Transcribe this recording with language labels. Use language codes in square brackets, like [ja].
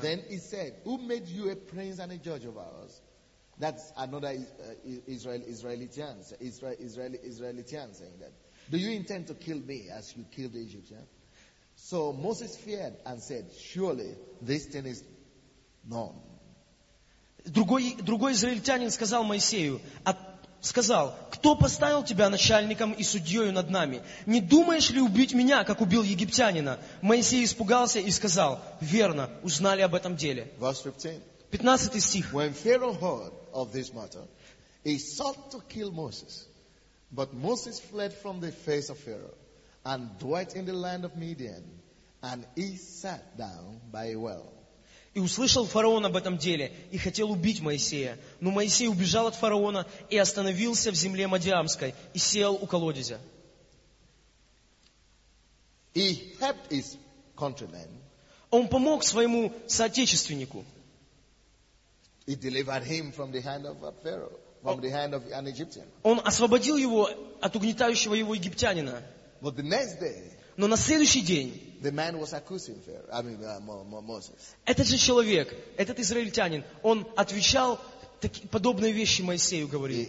[en] Then he said, who made you a prince and a judge over us? That's another Israelitian saying that. Do you intend to kill me as you killed the Egyptian? So Moses feared and said, surely this thing is known. [ru] Другой израильтянин сказал Моисею, сказал, кто поставил тебя начальником и судьей над нами? Не думаешь ли убить меня, как убил египтянина? Моисей испугался и сказал, верно, узнали об этом деле. 15 стих. [en] When Pharaoh heard of this matter, he sought to kill Moses. But Moses fled from the face of Pharaoh and dwelt in the land of Midian, and he sat down by a well. [ru] И услышал фараон об этом деле, и хотел убить Моисея. Но Моисей убежал от фараона и остановился в земле Мадиамской, и сел у колодезя. [en] He helped his countrymen. [ru] Он помог своему соотечественнику. [en] He delivered him from the hand of Pharaoh, from the hand of an Egyptian. [ru] Он освободил его от угнетающего его египтянина. [en] But the next day, [ru] но на следующий день [en] the man was accusing Pharaoh, I mean, Moses. [ru] Этот же человек, этот израильтянин, он отвечал подобные вещи Моисею, говорил.